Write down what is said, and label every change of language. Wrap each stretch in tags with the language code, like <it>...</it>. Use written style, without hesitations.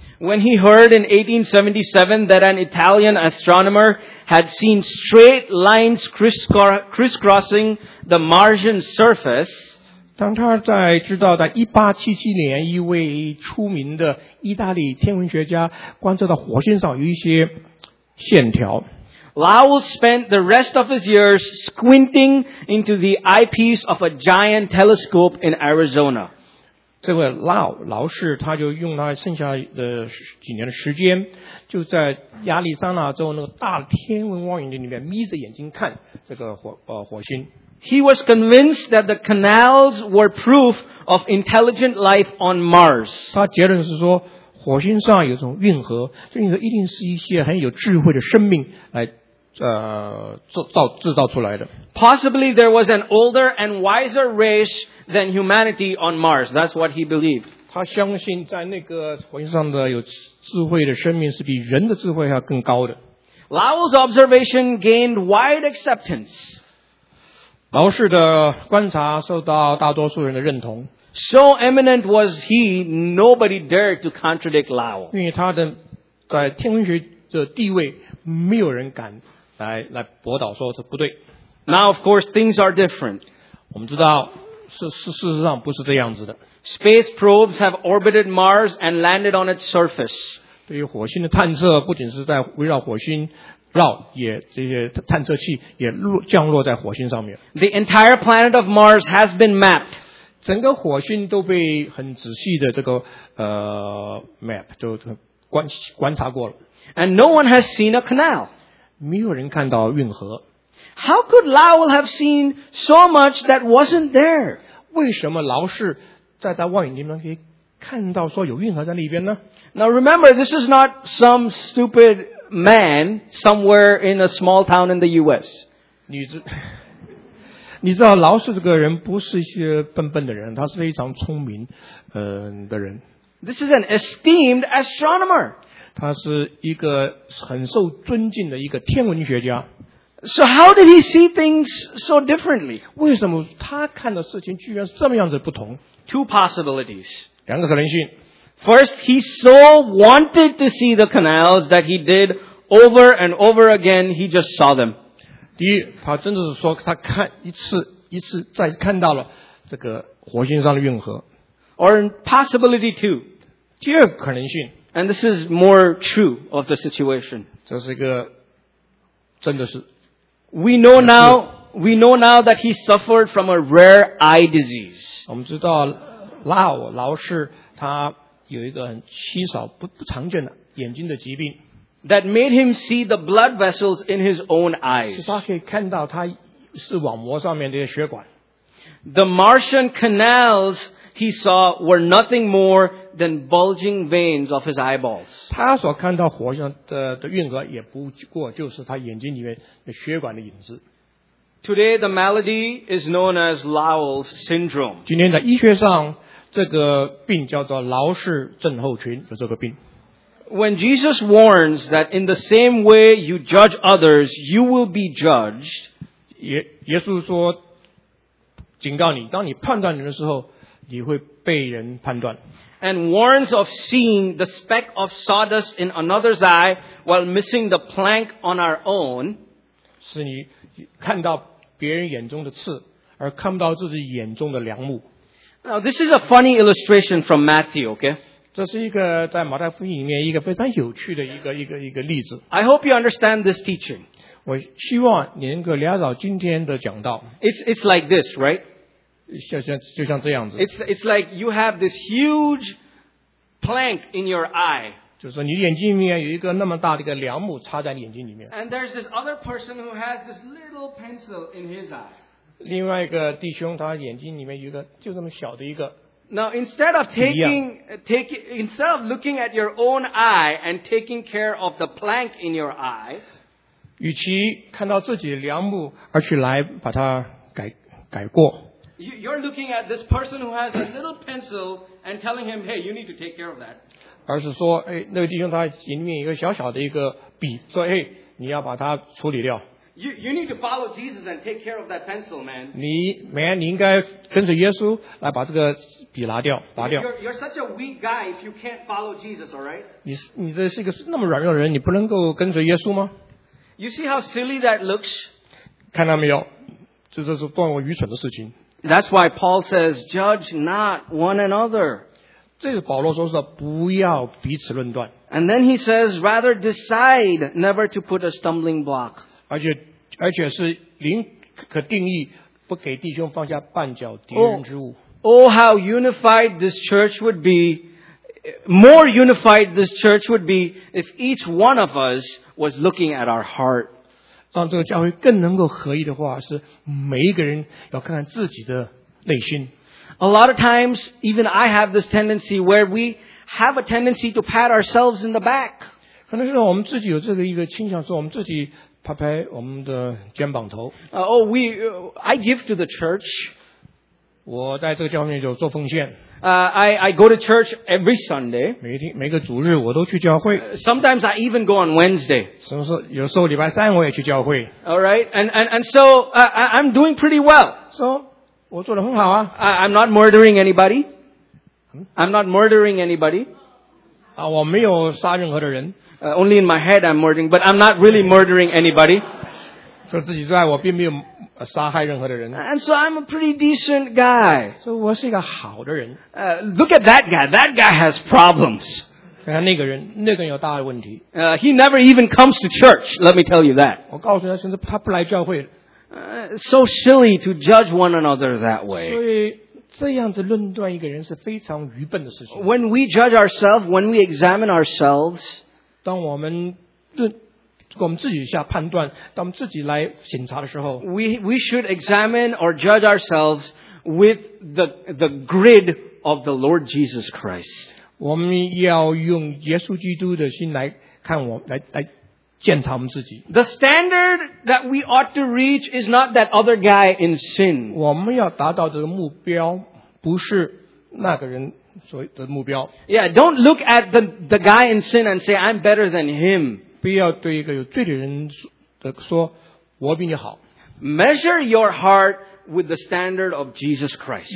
<en>When he heard in 1877 that an Italian astronomer had seen straight lines crisscrossing the Martian surface,</en> <zh>当他在知道在1877年一位出名的意大利天文学家观测到火星上有一些线条，</zh> <en>Lowell spent the rest of his years squinting into the eyepiece of a giant telescope in Arizona.</en> <zh>这位老师他就用他剩下的几年的时间就在亚利桑那州那个大天文望远镜里面眯着眼睛看这个 火星。</zh> <en>He was convinced that the canals were proof of intelligent life on Mars.</en> <zh>他结论是说火星上有种运河，这运河一定是一些很有智慧的生命来制造出来的。</zh> <en>Possibly there was an older and wiser race than humanity on Mars. That's what he believed.</en> <zh>他相信在那个火星上的有智慧的生命是比人的智慧要更高的。</zh> <en>Lowell's observation gained wide acceptance.</en> <zh>老师的观察受到大多数人的认同。</zh> <en>So eminent was he, nobody dared to contradict Lowell.</en> <zh>因为他的在天文学的地位没有人敢来驳倒说这不对。</zh> <en>Now, of course, things are different.</en> <zh>我们知道事实上不是这样子的。</zh> <en>Space probes have orbited Mars and landed on its surface.</en> <zh>对于火星的探测不仅是在围绕火星绕，也这些探测器也降落在火星上面。</zh> <en>The entire planet of Mars has been mapped.</en> <zh>整个火星都被很仔细的这个map, 都观察过了。</zh> <en>And no one has seen a canal.</en> <zh>没有人看到运河。</zh> <en>How could Lowell have seen so much that wasn't there?</en> <zh>为什么老师在他望远镜里面可以看到说有运河在那边呢？</zh> <en>Now remember, this is not some stupid man somewhere in a small town in the US.</en> <zh>你知道老师这个人不是一些笨笨的人，他是非常聪明的人。</zh> <en>This is an esteemed astronomer.</en> <zh>他是一个很受尊敬的一个天文学家。</zh> <en>So how did he see things so differently?</en> <zh>为什么他看的事情居然是这么样子不同？</zh> <en>Two possibilities.</en> <zh>两个可能性。</zh> <en>First, he so wanted to see the canals that he did over and over again, he just saw them.</en> <zh>第一，他真的是说他看一次再看到了这个火星上的运河。</zh> <en>Or possibility two.</en> <zh>第二个可能性。</zh> <en>And this is more true of the situation.</en> <zh>这是一个真的是。</zh> <en>We know now that he suffered from a rare eye disease.</en> <zh>我们知道老师他有一个很稀少不常见的眼睛的疾病。</zh> <en>That made him see the blood vessels in his own eyes.</en> <zh>是他可以看到他视网膜上面的血管。</zh> <en>The Martian canals he saw were nothing more than bulging veins of his eyeballs.</en> <zh>他所看到火星的运河也不过就是他眼睛里面的血管的影子。</zh> <en>Today, the malady is known as Lowell's syndrome.</en> <zh>今天在医学上，这个病叫做劳氏症候群，有这个病。</zh> <en>When Jesus warns that in the same way you judge others, you will be judged.</en> <zh>耶稣说，警告你，当你判断人的时候，你会被人判断。</zh> <en>And warns of seeing the speck of sawdust in another's eye while missing the plank on our own.</en> <zh>是你看到别人眼中的刺，而看不到自己眼中的梁木。</zh> <en>Now this is a funny illustration from Matthew, okay?</en> <zh>这是一个在马太福音里面一个非常有趣的一个例子。</zh> <en>I hope you understand this teaching.</en> <zh>我希望你能够了解今天的讲道。</zh> <en>It's like this, right?</en> <zh>就像这样子。</zh> <en>It's like you have this huge plank in your eye.</en> <zh>就是说你眼睛里面有一个那么大的一个梁木插在你眼睛里面。</zh> <en>And there's this other person who has this little pencil in his eye.</en> <zh>另外一个弟兄他眼睛里面有一个就这么小的一个。</zh> <en>Now instead of instead of looking at your own eye and taking care of the plank in your eye,</en> <zh>与其看到自己的梁木而去来把它改过。</zh> <en>You're looking at this person who has a little pencil and telling him, hey, you need to take care of that.</en> <zh>而是说、哎、那位弟兄他里面一个小小的一个笔说、哎、你要把它处理掉。</zh> <en>You need to follow Jesus and take care of that pencil, man.</en> <zh>Man, 你应该跟着耶稣来把这个笔拿掉拔掉。</zh> <en>You're such a weak guy if you can't follow Jesus, alright?</en> <zh>你这是一个那么软弱的人你不能够跟随耶稣吗</zh> <en>?You see how silly that looks?</en> <zh>看到没有这就是多么愚蠢的事情。</zh> <en>That's why Paul says, judge not one another.</en> <zh>这个保罗说是不要彼此论断。</zh> <en>And then he says, rather decide never to put a stumbling block.</en> <zh>而且是宁可定义不给弟兄放下绊脚敌人之物。</zh> <en>Oh, how unified this church would be, more unified this church would be if each one of us was looking at our heart.</en> <zh>让这个教会更能够合一的话是每一个人要看看自己的内心。</zh> <en>A lot of times, even I have this tendency where we have a tendency to pat ourselves in the back.</en> <zh>可能是我们自己有这个一个倾向说我们自己拍拍我们的肩膀头。</zh> <en>I give to the church.</en> <zh>我在这个教会就做奉献。</zh> <en>I go to church every Sunday.</en> <zh>每个主日我都去教会。</zh> <en>Sometimes I even go on Wednesday.</en> <zh>有时候礼拜三我也去教会。</zh> <en>Alright, and so I'm doing pretty well.</en> <zh>So, 我做得很好啊。</zh> <en>I'm not murdering anybody. I'm not murdering anybody.</en> <zh>啊，我没有杀任何的人。</zh> <en>Only in my head I'm murdering, but I'm not really murdering anybody.</en> <zh>除了自己之外，我并没有杀害任何的人。</zh> <en>And so I'm a pretty decent guy.</en> <zh>So 我是一个好的人。</zh> <en>Look at that guy. That guy has problems.</en> <zh>看看那个人有大的问题。</zh> <en>He never even comes to church. Let me tell you that.</en> <zh>我告诉他，甚至他不来教会。</zh> <en>So silly to judge one another that way.</en> <zh>所以这样子论断一个人是非常愚笨的事情。</zh> <en>When we judge ourselves, when we examine ourselves,</en> <zh>当我们我们自己下判断，当我们自己来审查的时候</zh> <en>，we should examine or judge ourselves with the grid of the Lord Jesus Christ。</en> <zh>我们要用耶稣基督的心来看我，来检查我们自己。</zh> <en>The standard that we ought to reach is not that other guy in sin。</en> <zh>我们要达到的目标不是那个人所的目标。</zh> <en>Yeah, don't look at the guy in sin and say I'm better than him.</en> <zh>不要对一个有罪的人说我比你好。</zh> <en>Measure your heart with the standard of Jesus Christ.</en>